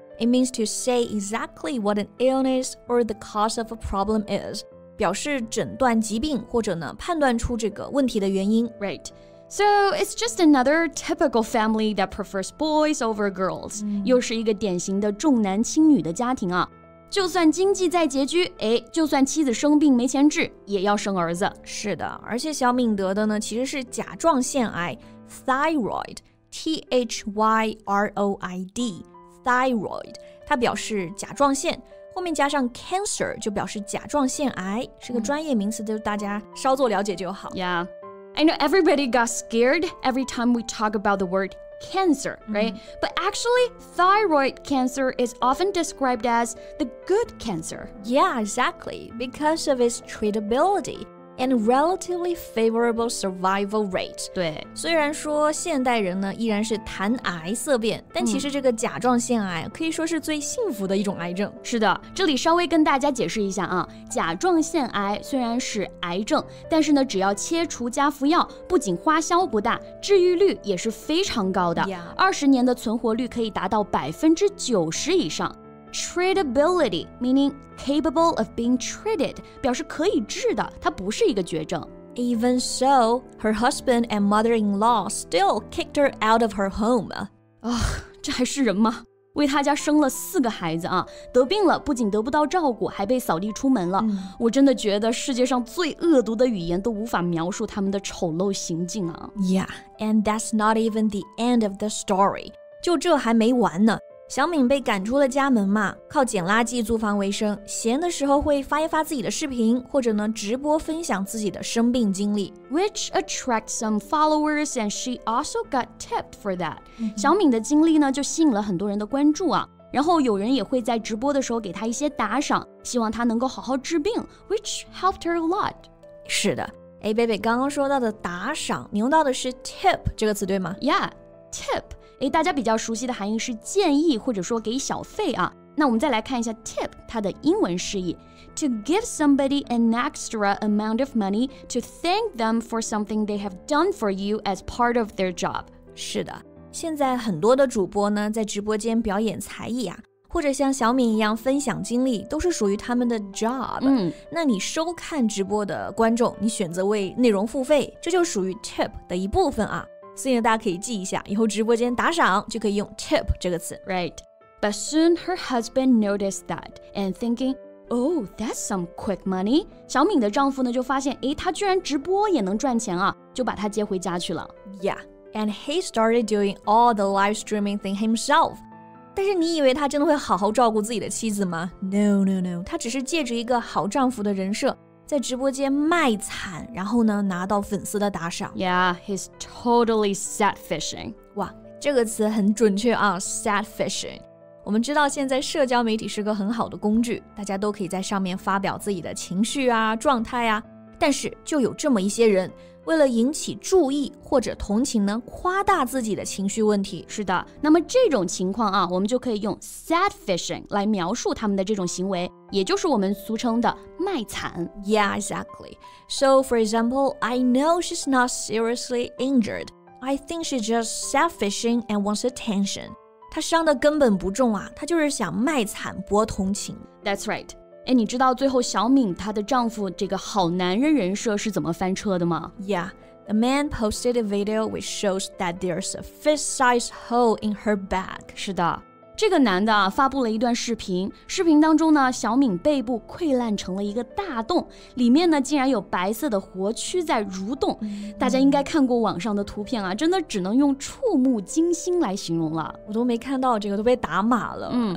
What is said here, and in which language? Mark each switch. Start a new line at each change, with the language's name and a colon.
English: It means to say exactly what an illness or the cause of a problem is.
Chinese: 表示诊断疾病或者呢判断出这个问题的原因。
English: Right. So it's just another typical family that prefers boys over girls.
Chinese: 又是一个典型的重男轻女的家庭啊。就算经济再拮据，哎，就算妻子生病没钱治，也要生儿子。是的，而且小敏得的呢，其实是甲状腺癌 ，
English: thyroid， T-H-Y-R-O-I-D， thyroid，
Chinese: 它表示甲状腺，后面加上 cancer 就表示甲状腺癌，是个专业名词，就大家稍作了解就好。
English: Yeah, I know everybody got scared every time we talk about the word. Cancer, right? But actually, thyroid cancer is often described as the good cancer. Yeah, exactly. Because of its treatability and relatively favorable survival rate.
Chinese: 对，虽然说现代人呢依然是谈癌色变，但其实这个甲状腺癌可以说是最幸福的一种癌症。是的，这里稍微跟大家解释一下啊，甲状腺癌虽然是癌症，但是呢，只要切除加服药，不仅花销不大，治愈率也是非常高的。 20年的存活率可以达到 90% 以上。
English: Treatability, meaning capable of being treated,
Chinese: 表示可以治的，它不是一个绝症。
English: Even so, her husband and mother-in-law still kicked her out of her home.
Chinese: 啊，这还是人吗？为他家生了四个孩子啊，得病了不仅得不到照顾，还被扫地出门了。我真的觉得世界上最恶毒的语言都无法描述他们的丑陋行径啊。
English: Yeah, and that's not even the end of the story.
Chinese: 就这还没完呢。小敏被赶出了家门嘛，靠捡垃圾租房为生，闲的时候会发一发自己的视频，或者呢直播分享自己的生病经历。
English: Which attracts some followers and she also got tipped for that.
Chinese: 小敏的经历呢就吸引了很多人的关注啊，然后有人也会在直播的时候给她一些打赏，希望她能够好好治病，
English: which helped her a lot.
Chinese: 是的，哎，贝贝刚刚说到的打赏，你用到的是 tip 这个词对吗？
English: Yeah, tip.
Chinese: 哎，大家比较熟悉的含义是建议或者说给小费啊。那我们再来看一下
English: tip
Chinese: 它的英文释义
English: ，to give somebody an extra amount of money to thank them for something they have done for you as part of their job。
Chinese: 是的，现在很多的主播呢在直播间表演才艺啊，或者像小敏一样分享经历，都是属于他们的 job。那你收看直播的观众，你选择为内容付费，这就属于 tip 的一部分啊。所以大家可以记一下，以后直播间打赏就可以用 tip 这个词。
English: Right. But soon her husband noticed that and thinking, oh, that's some quick money.
Chinese: 小敏的丈夫呢就发现，哎，她居然直播也能赚钱啊，就把她接回家去了。
English: Yeah. And he started doing all the live streaming thing himself.
Chinese: 但是你以为他真的会好好照顾自己的妻子吗？
English: No, no, no.
Chinese: 他只是借着一个好丈夫的人设。在直播间卖惨，然后呢拿到粉丝的打赏。
English: Yeah, he's totally sat fishing.
Chinese: 哇，这个词很准确啊 ，sat fishing。我们知道现在社交媒体是个很好的工具，大家都可以在上面发表自己的情绪啊、状态啊。但是就有这么一些人，为了引起注意或者同情呢，夸大自己的情绪问题。是的，那么这种情况啊，我们就可以用 sad fishing 来描述他们的这种行为，也就是我们俗称的卖惨。
English: Yeah, exactly. So, for example, I know she's not seriously injured. I think she's just sad fishing and wants attention.
Chinese: 他伤得根本不重啊，他就是想卖惨博同情。
English: That's right.
Chinese: 哎，你知道最后小敏她的丈夫这个好男人人设是怎么翻车的吗？
English: Yeah, the man posted a video which shows that there's a fist-sized hole in her back.
Chinese: 是的，这个男的发布了一段视频，视频当中呢，小敏背部溃烂成了一个大洞，里面呢竟然有白色的活蛆在蠕动。大家应该看过网上的图片啊，真的只能用触目惊心来形容了。我都没看到这个，都被打码了。